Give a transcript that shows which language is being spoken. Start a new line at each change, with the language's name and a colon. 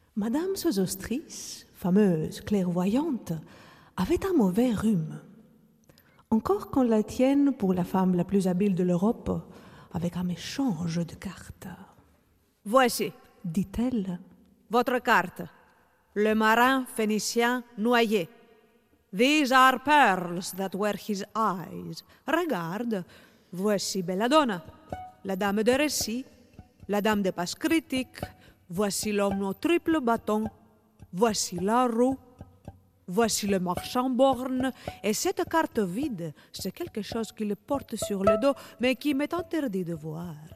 French: Madame Sosostris, fameuse clairvoyante, avait un mauvais rhume. Encore qu'on la tienne pour la femme la plus habile de l'Europe, avec un méchant jeu de cartes. Voici, dit-elle, votre carte. Le marin phénicien noyé.
English: These are pearls that were his eyes.
French: Regarde, voici Belladonna, la dame de récit, la dame de passe critique, voici l'homme au triple bâton, voici la roue, voici le marchand borne, et cette carte vide, c'est quelque chose qu'il porte sur le dos, mais qui m'est interdit de voir.